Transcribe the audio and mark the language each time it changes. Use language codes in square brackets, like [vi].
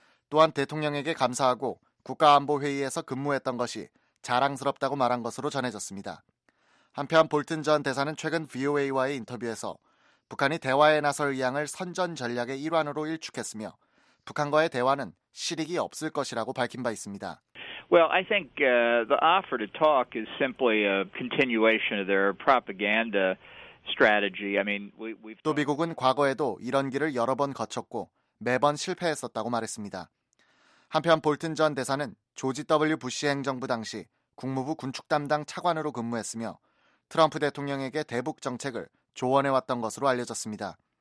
[ko] 또한 대통령에게 감사하고 국가안보회의에서 근무했던 것이 자랑스럽다고 말한 것으로 전해졌습니다. 한편 볼튼 전 대사는 최근 VOA와의 인터뷰에서 북한이 대화에 나설 의향을 선전 전략의 일환으로 일축했으며 북한과의 대화는 실익이 없을 것이라고 밝힌 바 있습니다. [en] Well, I think the offer to talk is simply a continuation of their propaganda strategy. I mean, we've [ko] 또 미국은 과거에도 이런 길을 여러 번 거쳤고 매번 실패했었다고 말했습니다. 한편 볼튼 전 대사는 조지 W. 부시 행정부 당시 국무부 군축 담당 차관으로 근무했으며 트럼프 대통령에게 대북 정책을 조언해 왔던 것으로 알려졌습니다.